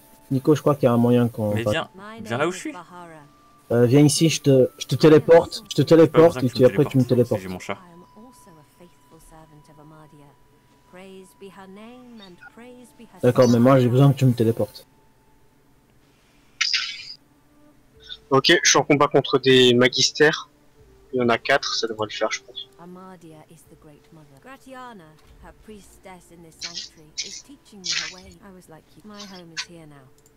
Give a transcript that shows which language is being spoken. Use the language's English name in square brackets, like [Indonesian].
[French] Nico, je crois qu'il y a un moyen qu'on... Mais viens là où je suis. Viens ici, je te téléporte. Je te téléporte et après tu me téléportes. J'ai mon chat. [English] I am also a faithful servant of Amadia. Praise be her name and praise be her... [French] D'accord, mais moi j'ai besoin que tu me téléportes. Ok, je suis en combat contre des magistères. Il y en a 4, ça devrait le faire, je pense. [English] Amadia is the great mother. Gratiana, her priestess in this sanctuary, is teaching me her way. I was like you. My home is here now.